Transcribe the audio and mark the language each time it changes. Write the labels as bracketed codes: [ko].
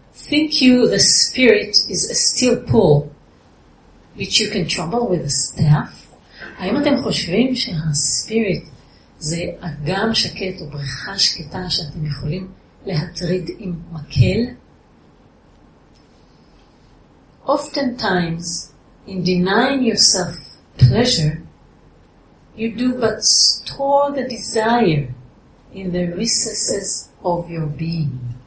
[en] Think you the spirit is a steel pole which you can trouble with a staff? [he] האם אתם חושבים שהספיריט זה אגם שקט או בריכה שקטה שאתם יכולים להטריד עם מקל? [en] Oftentimes, in denying yourself pleasure, you do but store the desire in the recesses of your being.